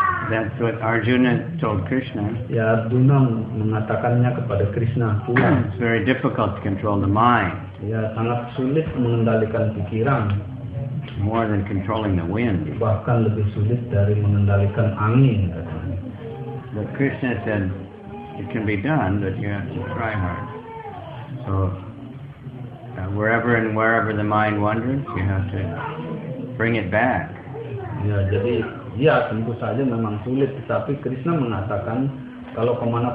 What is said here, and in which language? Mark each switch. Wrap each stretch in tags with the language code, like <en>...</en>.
<en>That's what Arjuna told Krishna.</en> <id>Arjuna mengatakannya kepada Krishna.</id> <en>It's very difficult to control the mind.</en> <id>Sangat sulit mengendalikan pikiran.</id> <en>More than controlling the wind.</en> <id>Bahkan lebih sulit dari mengendalikan angin.</id> <en>But Krishna said it can be done, but you have to try hard. So wherever and wherever the mind wanders, you have to bring it back.</en> <id>Ya, jadi ya tentu saja memang sulit, tetapi Krishna mengatakan kalau kemana</id>